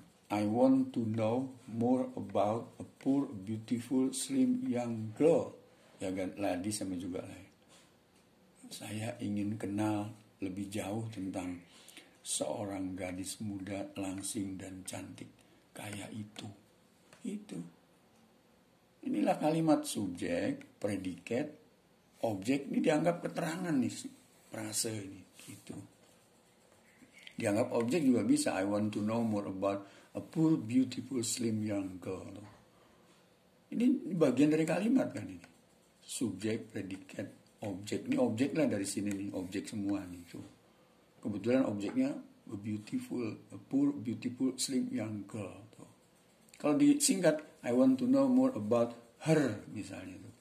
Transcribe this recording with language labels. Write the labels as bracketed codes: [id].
[en] I want to know more about a poor, beautiful, slim, young girl. [id] Ya kan, lady sama juga lady. Saya ingin kenal lebih jauh tentang seorang gadis muda, langsing, dan cantik kaya itu. Itu. Inilah kalimat subjek, predikat, objek. Ini dianggap keterangan nih, prase ini. Gitu. Dianggap objek juga bisa. [en] I want to know more about a poor, beautiful, slim young girl. [id] Ini bagian dari kalimat kan ini. Subjek, predikat, objek. Ini objek lah dari sini nih. Objek semua nih. [en] So, [id] kebetulan objeknya [en] a beautiful, a poor, beautiful, slim young girl. So, [id] kalau disingkat, [en] I want to know more about her [id] misalnya.